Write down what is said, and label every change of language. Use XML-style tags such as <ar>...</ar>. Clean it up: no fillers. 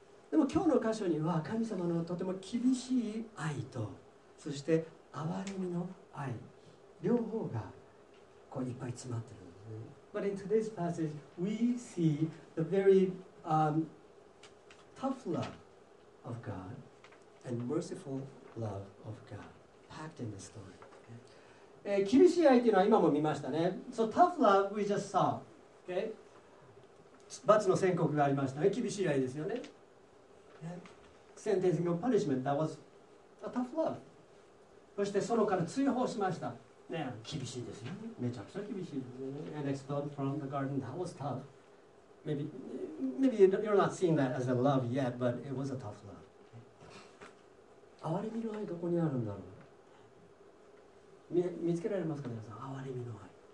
<ja>でも今日の箇所には神様のとても厳しい愛とそして憐れみの愛両方がこういっぱい詰まってるんですね。</ja> <en>But in today's passage, we see the very tough love of God and merciful love of God packed in the story.</en> <ja>厳しい愛というのは今も見ましたね。</ja> <en>So tough love we just saw. Okay?</en> <ja>罰の宣告がありましたね。厳しい愛ですよね。</ja> <en>Sentencing of punishment, that was a tough love.</en> <ja>そしてそのから追放しました。ね、厳しいですよ。めちゃくちゃ厳しいですね。</ja> <en>And expelled from the garden, that was tough. Maybe you're not seeing that as a love yet, but it was a tough love.</en> <ja>憐れみの愛どこにあるんだろう。見つけられますか皆さん、憐れみの愛。</ja>